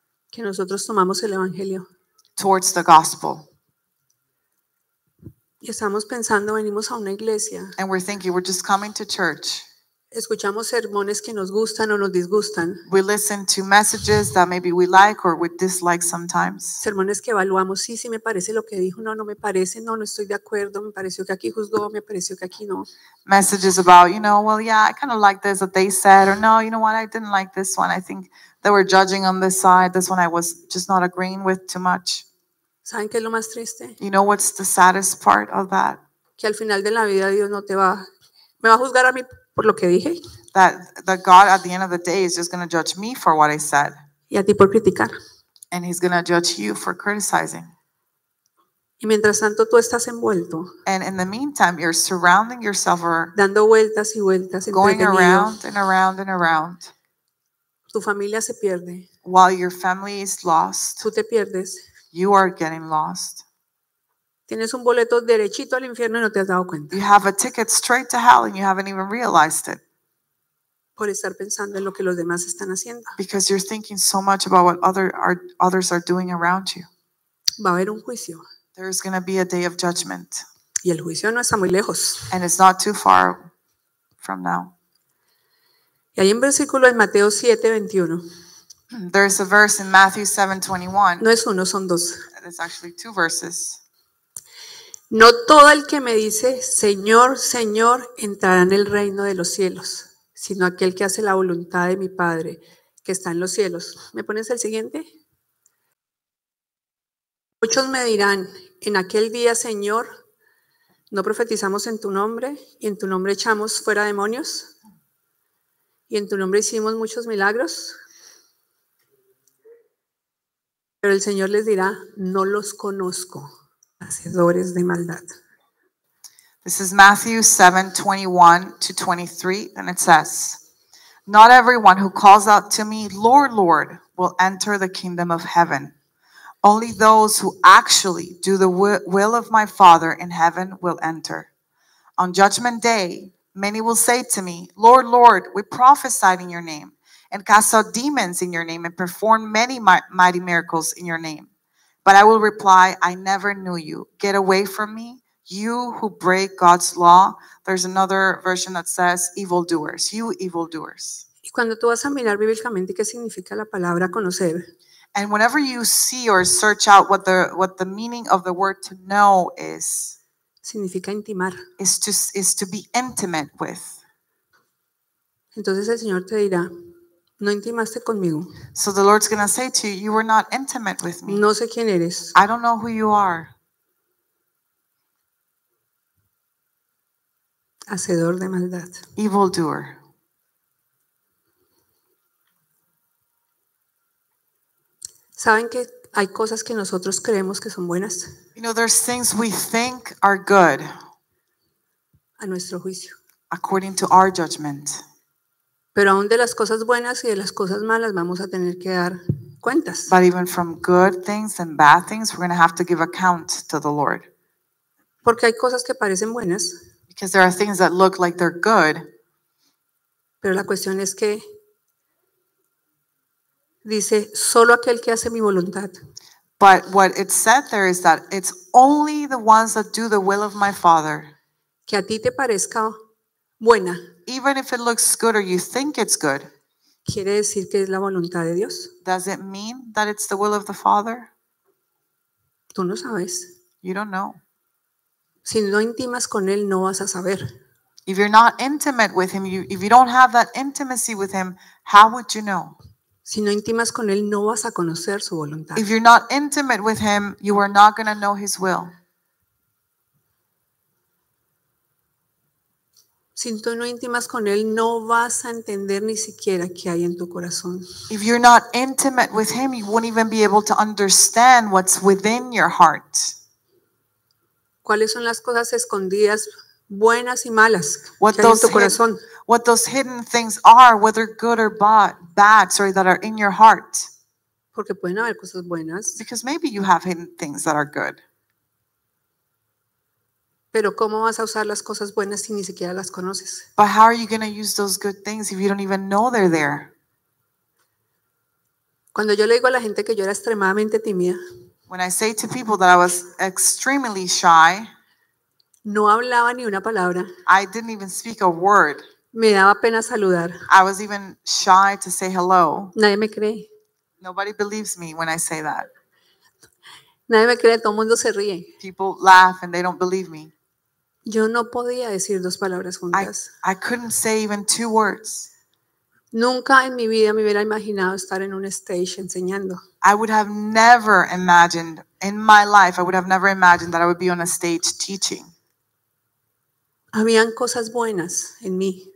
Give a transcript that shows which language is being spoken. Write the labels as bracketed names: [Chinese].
[Spanish] Que nosotros tomamos el evangelio. [English] Towards the gospel. [Spanish] Y estamos pensando, venimos a una iglesia. [English] And we're thinking, we're just coming to church. [Spanish] Escuchamos sermones que nos gustan o nos disgustan. [English] We listen to messages that maybe we like or we dislike sometimes. [Spanish] Sermones que evaluamos, sí, me parece lo que dijo, no me parece, no estoy de acuerdo, me pareció que aquí juzgó, me pareció que aquí no. [English] Messages about, you know, well, yeah, I kind of like this that they said, or no, you know what, I didn't like this one. I think they were judging on this side. This one I was just not agreeing with too much. [Spanish] ¿Saben qué es lo más triste? [English] You know what's the saddest part of that? [Spanish] Que al final de la vida Dios no te va, me va a juzgar a mí. Por lo que dije. [English] That God at the end of the day is just going to judge me for what I said. [Spanish] Y a ti por criticar. [English] And he's going to judge you for criticizing. [Spanish] Y mientras tanto tú estás envuelto. [English] And in the meantime you're surrounding yourself or [Spanish] dando vueltas y vueltas, [English] going around and around and around. [Spanish] Tu familia se pierde. [English] While your family is lost. [Spanish] Tú te pierdes. [English] You are getting lost. [Spanish] Tienes un boleto derechito al infierno y no te has dado cuenta. [English] You have a ticket straight to hell and you haven't even realized it. [Spanish] Por estar pensando en lo que los demás están haciendo. [English] Because you're thinking so much about what others are doing around you. [Spanish] Va a haber un juicio. [English] There is going to be a day of judgment. [Spanish] Y el juicio no está muy lejos. [English] And it's not too far from now. [Spanish] Y hay un versículo en Mateo 7:21. [English] There is a verse in Matthew 7:21. [Spanish] No es uno, son dos. [English] It's actually two verses. [Spanish] No todo el que me dice, Señor, Señor, entrará en el reino de los cielos, sino aquel que hace la voluntad de mi Padre, que está en los cielos. ¿Me pones el siguiente? Muchos me dirán, en aquel día, Señor, ¿no profetizamos en tu nombre? ¿Y en tu nombre echamos fuera demonios? ¿Y en tu nombre hicimos muchos milagros? Pero el Señor les dirá, no los conozco. Hacedores de maldad. [English] This is Matthew 7:21-23, and it says, not everyone who calls out to me, Lord, Lord, will enter the kingdom of heaven. Only those who actually do the will of my Father in heaven will enter. On judgment day, many will say to me, Lord, Lord, we prophesied in your name, and cast out demons in your name, and performed many mighty miracles in your name. But I will reply, I never knew you. Get away from me, you who break God's law. There's another version that says, evildoers, you evildoers. [Spanish] Y cuando tú vas a mirar bíblicamente, ¿qué significa la palabra conocer? [English] And whenever you see or search out what the meaning of the word to know is, [Spanish] significa intimar. [English] Is to be intimate with. [Spanish] Entonces el Señor te dirá, no intimaste conmigo. [English] So the Lord's going to say to you, you were not intimate with me. [Spanish] No sé quién eres. [English] I don't know who you are. [Spanish] Hacedor de maldad. [English] Evil doer. [Spanish] ¿Saben que hay cosas que nosotros creemos que son buenas? [English] You know, there's things we think are good. [Spanish] A nuestro juicio. [English] According to our judgment. [Spanish] Pero aún de las cosas buenas y de las cosas malas vamos a tener que dar cuentas. [English] But even from good things and bad things, we're going to have to give account to the Lord. [Spanish] Porque hay cosas que parecen buenas. [English] Because there are things that look like they're good. [Spanish] Pero la cuestión es que dice, solo aquel que hace mi voluntad. [English] But what it said there is that it's only the ones that do the will of my Father. [Spanish] Que a ti te parezca buena. [English] Even if it looks good or you think it's good. [Spanish] ¿Quiere decir que es la voluntad de Dios? [English] Does it mean that it's the will of the Father? [Spanish] Tú no sabes. [English] You don't know. [Spanish] Si no intimas con él, no vas a saber. [English] If you're not intimate with him, if you don't have that intimacy with him, how would you know? [Spanish] Si no intimas con él, no vas a conocer su voluntad. [English] If you're not intimate with him, you are not going to know his will. [Spanish] Si tú no intimas con él, no vas a entender ni siquiera qué hay en tu corazón. [English] If you're not intimate with him, you won't even be able to understand what's within your heart. [Spanish] ¿Cuáles son las cosas escondidas, buenas y malas, que hay en tu corazón? [English] What those hidden things are, whether good or bad, sorry, that are in your heart. [Spanish] Porque pueden haber cosas buenas. [English] Because maybe you have hidden things that are good. [Spanish] Pero ¿cómo vas a usar las cosas buenas si ni siquiera las conoces? [English] But how are you going to use those good things if you don't even know they're there? [Spanish] Cuando yo le digo a la gente que yo era extremadamente tímida. [English] When I say to people that I was extremely shy. [Spanish] No hablaba ni una palabra. [English] I didn't even speak a word. [Spanish] Me daba pena saludar. [English] I was even shy to say hello. [Spanish] Nadie me cree. [English] Nobody believes me when I say that. [Spanish] Nadie me cree, todo el mundo se ríe. [English] People laugh and they don't believe me. [Spanish] Yo no podía decir dos palabras juntas. [English] I couldn't say even two words. [Spanish] Nunca en mi vida me hubiera imaginado estar en un stage enseñando. [English] I would have never imagined in my life, I would have never imagined that I would be on a stage teaching. [Spanish] Habían cosas buenas en mí.